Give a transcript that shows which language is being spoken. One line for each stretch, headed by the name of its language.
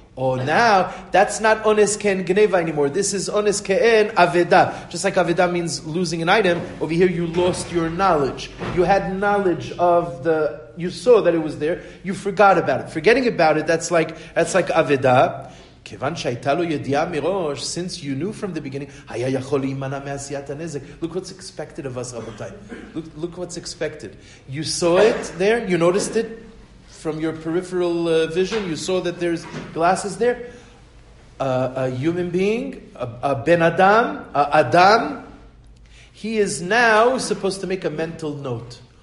English: Oh, now, that's not ones ken gneva anymore. This is ones ken aveda. Just like aveda means losing an item, over here you lost your knowledge. You had knowledge of the, you saw that it was there, you forgot about it. Forgetting about it, that's like aveda.
Hebrew: כיוון שהייתה לו ידיעה מראש,
English: since you knew from the beginning,
Hebrew: היה יכול להימנע מעשיית הנזק.
English: Look what's expected of us, רבותיי. Look what's expected. You saw it there, you noticed it from your peripheral vision, you saw that there's glasses there. A human being, a ben adam, a adam, he is now supposed to make a mental note.